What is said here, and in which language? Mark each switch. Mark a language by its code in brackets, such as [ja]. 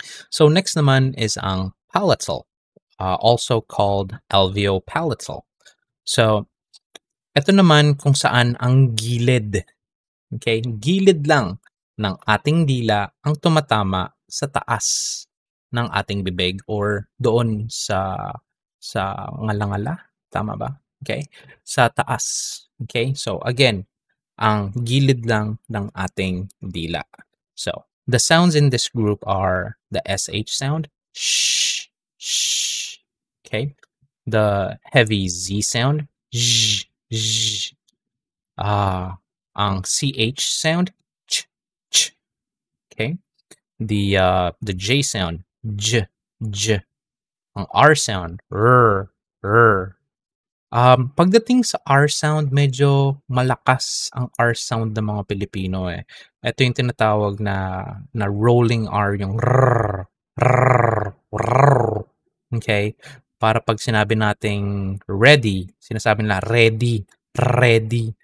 [en] So next naman is ang palatal, also called alveopalatal. [tl] So ito naman kung saan ang gilid, okay, gilid lang ng ating dila ang tumatama sa taas ng ating bibig or doon sa ngalangala, tama ba? Okay, sa taas. Okay, so again, ang gilid lang ng ating dila. [en] So, the sounds in this group are the SH sound, sh, sh, okay, the heavy Z sound, sh, z, ang ch sound, ch, ch, okay, the j sound, j, j, ang r sound, r, r. [tl] Pagdating sa r sound, medyo malakas ang r sound ng mga Pilipino eh. Ito yung tinatawag na rolling r, yung r, r, r, okay. Para pag sinabi nating ready, sinasabi nila ready, ready.